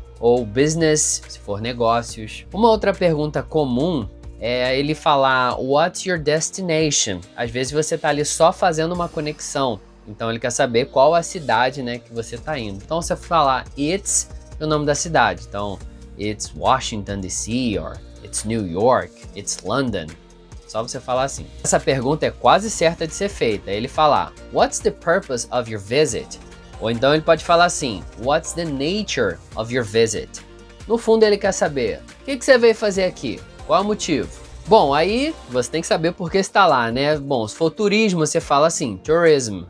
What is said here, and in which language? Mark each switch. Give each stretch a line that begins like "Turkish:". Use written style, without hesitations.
Portuguese: ou business, se for negócios. Uma outra pergunta comum é ele falar what's your destination? Às vezes você tá ali só fazendo uma conexão. Então ele quer saber qual a cidade, né, que você tá indo. Então você falar it's o nome da cidade.
English: Então it's Washington DC, or it's New York, it's London.
Portuguese: Só você falar assim. Essa pergunta é quase certa de ser feita. Ele falar what's the purpose of your visit? Ou então ele pode falar assim, what's the nature of your visit? No fundo ele quer saber, o que você veio fazer aqui? Qual é o motivo? Bom, aí você tem que saber por que está lá, né? Bom, se for turismo, você fala assim, tourism.